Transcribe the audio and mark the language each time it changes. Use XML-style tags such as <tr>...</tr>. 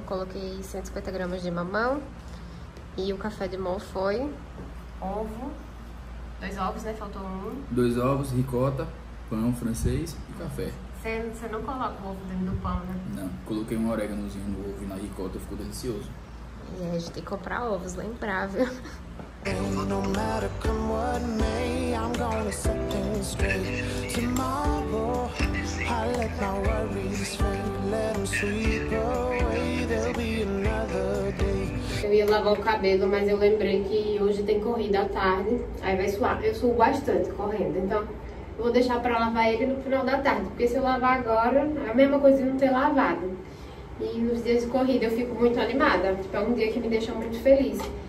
<pt>Coloquei 150 gramas de mamão. E o café de mol foi ovo, dois ovos, né? Faltou um. Dois ovos, ricota, pão francês e café. Você não coloca o ovo dentro do pão, né? Não, coloquei um oréganozinho no ovo e na ricota, ficou delicioso. E a gente tem que comprar ovos, lembrar, viu?</pt> <en>No matter come what may, I'm gonna set things straight. Tomorrow, I let my worries fade, let them sweep away, there'll be another day.</en> <pt>Eu ia lavar o cabelo, mas eu lembrei que hoje tem corrida à tarde, aí vai suar. Eu suo bastante correndo, então eu vou deixar pra lavar ele no final da tarde, porque se eu lavar agora, é a mesma coisa de não ter lavado. E nos dias de corrida eu fico muito animada, tipo, é um dia que me deixa muito feliz.</pt>